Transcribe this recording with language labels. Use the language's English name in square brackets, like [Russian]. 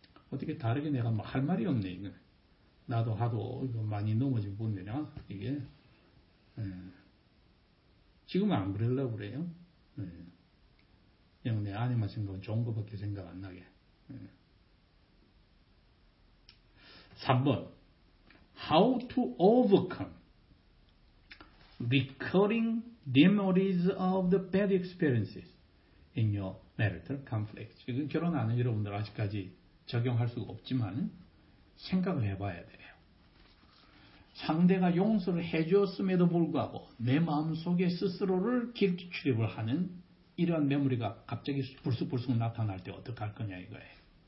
[Korean] 어떻게 다르게 내가 막 할 말이 없네. 이거. 나도 하도 이거 많이 넘어진 분이냐 이게. 지금은 안 그러려고 그래요. 그냥 내 아내 말씀 그 좋은 것밖에 생각 안 나게. [English] 3번 How to overcome recurring memories of the bad experiences in your marital conflict. [Korean] 지금 결혼하는 여러분들 아직까지 적용할 수가 없지만 생각을 해봐야 돼요. 상대가 용서를 해주었음에도 불구하고 내 마음속에 스스로를 길게 출입을 하는 이러한 메모리가 갑자기 불쑥불쑥 나타날 때 어떡할 거냐 이거예요.